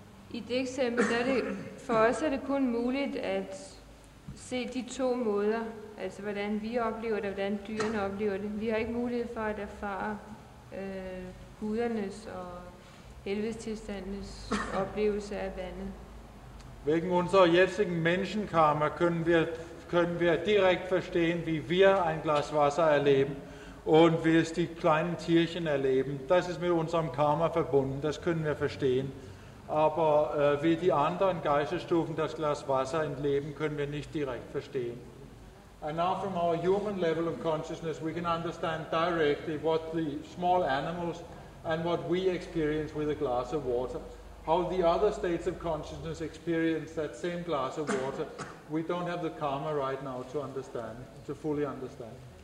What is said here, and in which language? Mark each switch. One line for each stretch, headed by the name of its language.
Danish: I det eksempel, for os er det kun muligt at se de to måder, altså hvordan vi oplever det, hvordan dyrene oplever det. Vi har ikke mulighed for at erfare gudernes og helvedestilstandenes oplevelse af vandet.
German: Wegen unserer jetzigen Menschenkarma können wir direkt verstehen, wie wir ein Glas Wasser erleben und wie es die kleinen Tierchen erleben. Das ist mit unserem Karma verbunden, das können wir verstehen. Aber wie die anderen Geistestufen das Glas Wasser entleben, können wir nicht direkt verstehen.
English: And now from our human level of consciousness, we can understand directly what the small animals and what we experience with a glass of water. How the other states of consciousness experience that same glass of water, we don't have the karma right now to understand, to fully understand.